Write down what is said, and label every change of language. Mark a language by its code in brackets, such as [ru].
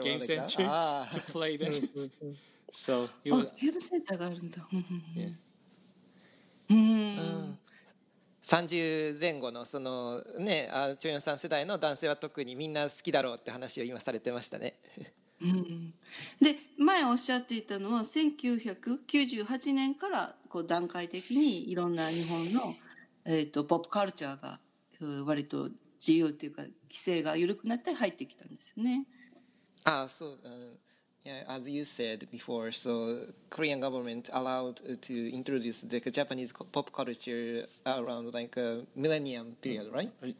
[en] game center to play them. So [ja] you あ、ゲームセンターがあるんだ。 30前後のそのね、あ、チョヨンさん世代の男性は特にみんな好きだろうって話を今されてましたね。で前おっしゃっていたのは1998年からこう段階的にいろんな日本の、ポップカルチャーが割と自由っていうか規制が緩くなって入ってきたんですよね。あ、そう。 [en] Yeah, as you said before, so Korean government allowed to introduce the Japanese pop culture around like a millennium period, right?